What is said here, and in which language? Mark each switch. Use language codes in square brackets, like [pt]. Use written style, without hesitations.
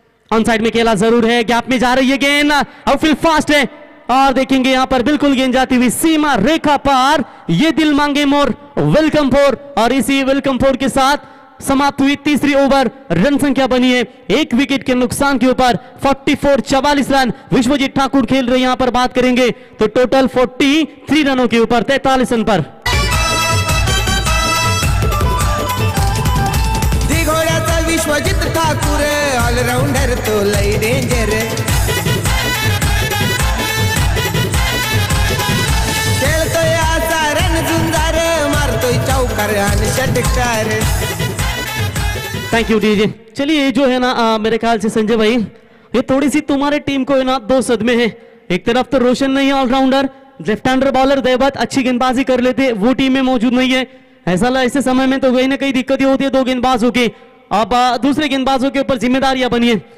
[hi] On side में खेला जरूर है, गैप में जा रही है गेंद, अब फील्ड फास्ट है और देखेंगे यहां पर बिल्कुल गेंद जाती हुई सीमा रेखा पार, ये दिल मांगे मोर वेलकम फोर, और इसी वेलकम फोर के साथ समाप्त हुई तीसरी ओवर, रन संख्या बनी है 1 विकेट के नुकसान के ऊपर 44, 44 रन। विश्वजीत ठाकुर खेल रहे, यहां पर बात करेंगे तो टोटल 43 रनों के ऊपर 43 रन पर। [mr] विश्वजीत ठाकुर ऑलराउंडर तो लई डेंजर, खेलतो आता रन सुंदर मारतो चौकर आणि षटकार। [en] Thank you DJ. [hi] चलिए ये जो है ना मेरे ख्याल से संजय भाई, ये थोड़ी सी तुम्हारे टीम को है ना दो सदमे है, एक तरफ तो रोशन नहीं ऑलराउंडर, लेफ्ट हैंडर बॉलर दैवत अच्छी गेंदबाजी कर लेते वो टीम में मौजूद नहीं है, ऐसा ऐसे समय में तो कहीं ना कहीं दिक्कत ही होती है दो गेंदबाजों की, अब दूसरे गेंदबाजों के ऊपर जिम्मेदारियां बनी है।